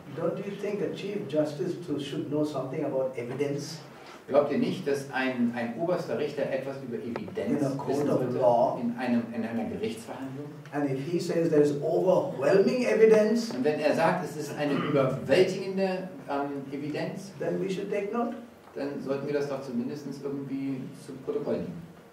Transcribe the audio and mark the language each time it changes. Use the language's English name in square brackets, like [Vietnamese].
[English] Don't you think a Chief Justice should know something about evidence? [German] Glaubt ihr nicht, dass ein oberster Richter etwas über Evidenz wissen sollte in einer Gerichtsverhandlung? [English] And if he says there is overwhelming evidence, [German] und wenn er sagt, es ist eine überwältigende Evidenz, [English] then we should take note. [German] Dann sollten wir das doch zumindest irgendwie zu Protokoll nehmen.